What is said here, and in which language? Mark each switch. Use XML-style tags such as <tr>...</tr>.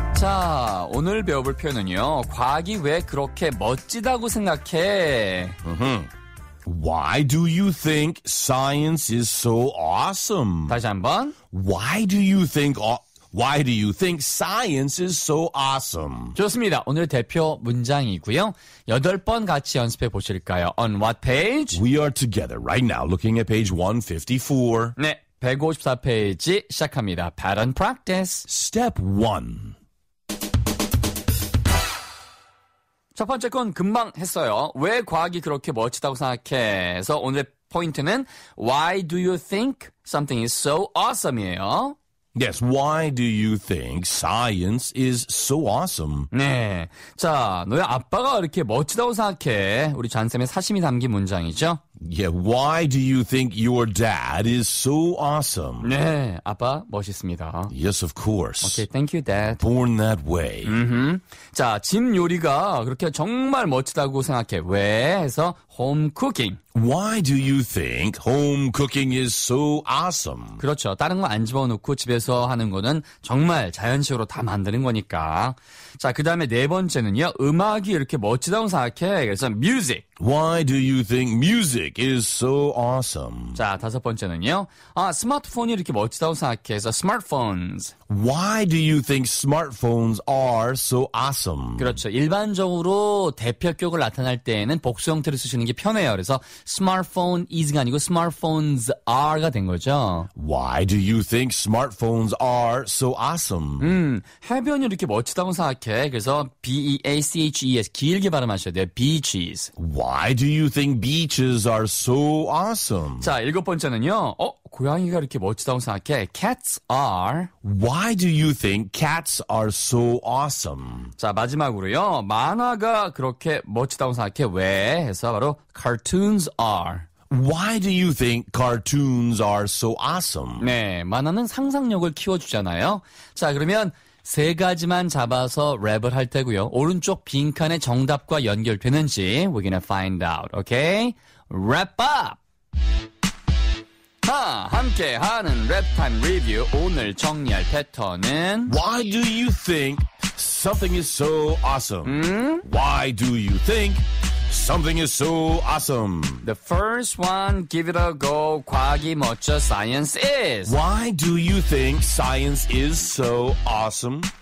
<ko>자, 오늘 배워볼 표현은요. 과학이 왜 그렇게 멋지다고 생각해?</ko> <en>Why do you think science is so awesome?</en> <ko>다시 한번.</ko> <en>Why do you think science is so awesome?</en> <ko>좋습니다. 오늘 대표 문장이고요. 여덟 번 같이 연습해 보실까요?</ko> <en>On what page? We are together right now looking at page 154.</en> <ko>네, 154페이지 시작합니다.</ko> <en>Pattern practice. Step 1.</en> <ko>첫 번째 건 금방 했어요. 왜 과학이 그렇게 멋지다고 생각해? 그래서 오늘의 포인트는</ko> <en>Why do you think something is so awesome이에요? Yes, why do you think science is so awesome?</en> <ko>네, 자, 너의 아빠가 이렇게 멋지다고 생각해? 우리 잔쌤의 사심이 담긴 문장이죠.</ko> <en>Yeah, why do you think your dad is so awesome?</en> <ko>네, 아빠 멋있습니다.</ko> <en>Yes, of course. Okay, thank you, dad. Born that way. 음흠.</en> <ko>자, 집 요리가 그렇게 정말 멋지다고 생각해? 왜? 해서 home cooking.</ko> <en>Why do you think home cooking is so awesome?</en> <ko>그렇죠. 다른 거 안 집어넣고 집에서 하는 거는 정말 자연식으로 다 만드는 거니까. 자, 그 다음에 네 번째는요. 음악이 이렇게 멋지다고 생각해? 그래서 music.</ko> <en>Why do you think music is so awesome?</en> <ko>자, 다섯 번째는요. 아, 스마트폰이 이렇게 멋지다고 생각해? 그래서 smartphones.</ko> <en>Why do you think smartphones are so awesome?</en> <ko>그렇죠. 일반적으로 대표격을 나타낼 때에는 복수 형태를 쓰시는 게 편해요. 그래서 smartphone is가 아니고 smartphones are가 된 거죠.</ko> <en>Why do you think smartphones are so awesome?</en> <ko>해변이 이렇게 멋지다고 생각해? 그래서 B-E-A-C-H-E-S 길게 발음하셔야 돼요.</ko> <en>Beaches. Why do you think beaches are so awesome?</en> <ko>자, 일곱 번째는요. 어? 고양이가 이렇게 멋지다고 생각해?</ko> <en>Cats are. Why do you think cats are so awesome?</en> <ko>자, 마지막으로요. 만화가 그렇게 멋지다고 생각해? 왜? 해서 바로 cartoons are.</ko> <en>Why do you think cartoons are so awesome?</en> <ko>네, 만화는 상상력을 키워주잖아요. 자, 그러면 세 가지만 잡아서 랩을 할 테고요. 오른쪽 빈칸에 정답과 연결되는지</ko> <en>we're gonna find out, okay? Wrap up!</en> <ko>함께하는 랩타임 리뷰 오늘 정리할 패턴은</ko> <en>Why do you think something is so awesome? 음? Why do you think something is so awesome? The first one, give it a go.</en> <ko>과학이 멋져,</ko> <en>science is. Why do you think science is so awesome?</en>